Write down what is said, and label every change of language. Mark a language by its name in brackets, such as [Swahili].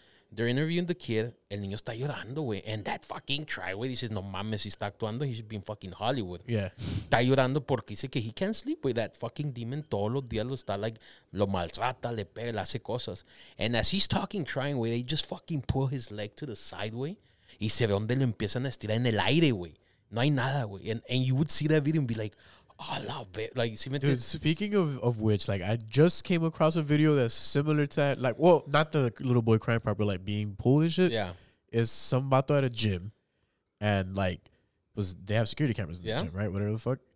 [English] They're interviewing the kid. [Spanish] El niño está llorando, güey. [English] And that fucking try, güey, [Spanish] dices, no mames, [English] he's actuando. He should be in fucking Hollywood. Yeah. [Spanish] Está llorando porque dice que [English] he can't sleep, with that fucking demon [Spanish] todos los días lo está, like, lo maltrata, le pega, le hace cosas. [English] And as he's talking, crying, güey, they just fucking pull his leg to the side, güey. [Spanish] Y se ve donde lo empiezan a estirar en el aire, güey. No hay nada, güey. [English] And you would see that video and be like, I love it. Like, see, dude, speaking of which, like, I just came across a video that's similar to that. Like, well, not the little boy crying part, but, like, being pulled and shit. Yeah. Is some bato at a gym, and, like, they have security cameras in the gym, right? Whatever the fuck.